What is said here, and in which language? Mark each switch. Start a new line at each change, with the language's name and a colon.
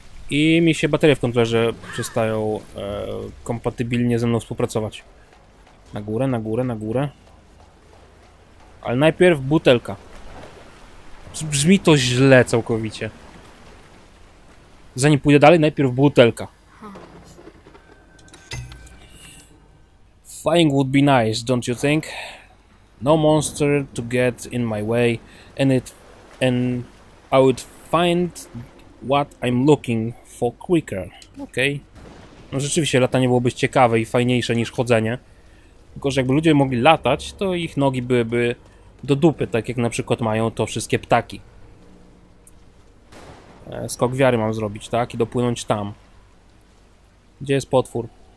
Polish: I mi się baterie w kontrolerze przestają kompatybilnie ze mną współpracować. Na górę, na górę, na górę. Ale najpierw butelka. Brzmi to źle całkowicie. Zanim pójdę dalej, najpierw butelka.
English: Flying would be nice, don't you think? No monster to get in my way, and I would find what I'm looking for quicker. Okej.
Polish: Okay. No rzeczywiście, latanie byłoby ciekawe i fajniejsze niż chodzenie. Tylko że jakby ludzie mogli latać, to ich nogi byłyby do dupy, tak jak na przykład mają to wszystkie ptaki. Skok wiary mam zrobić, tak? I dopłynąć tam. Gdzie jest potwór?